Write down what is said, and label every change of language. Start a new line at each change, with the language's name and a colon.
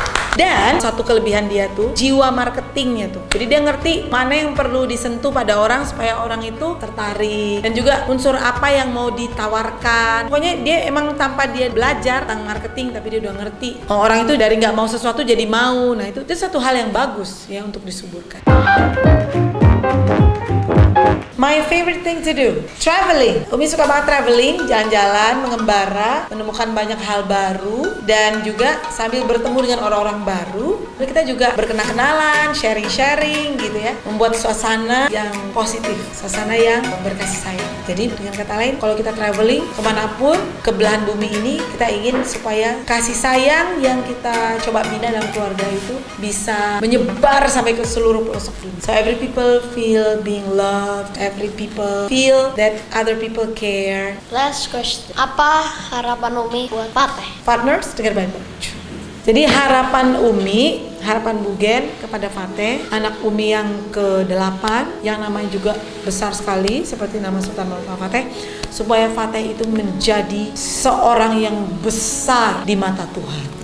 Indonesian: Dan satu kelebihan dia tuh jiwa marketingnya tuh. Jadi dia ngerti mana yang perlu disentuh pada orang supaya orang itu tertarik dan juga unsur apa yang mau ditawarkan. Pokoknya dia emang tanpa dia belajar tentang marketing tapi dia udah ngerti. Orang itu dari enggak mau sesuatu jadi mau. Nah, itu satu hal yang bagus ya untuk disuburkan.
English: My favorite thing to do, traveling.
Indonesian: Umi suka banget traveling, jalan-jalan, mengembara, menemukan banyak hal baru, dan juga sambil bertemu dengan orang-orang baru. Lalu kita juga berkenalan, sharing-sharing gitu ya, membuat suasana yang positif, suasana yang berkasih sayang. Jadi dengan kata lain, kalau kita traveling kemanapun ke belahan bumi ini, kita ingin supaya kasih sayang yang kita coba bina dalam keluarga itu bisa menyebar sampai ke seluruh pelosok dunia.
English: So every people feel being loved, every people feel that other people care. Last question,
Indonesian: apa harapan Umi buat partner? Partners, dengar baik-baik. Jadi harapan Umi, harapan Bugen kepada Fateh, anak Umi yang ke-8 yang namanya juga besar sekali seperti nama Sultan Maulana Fateh, supaya Fateh itu menjadi seorang yang besar di mata Tuhan.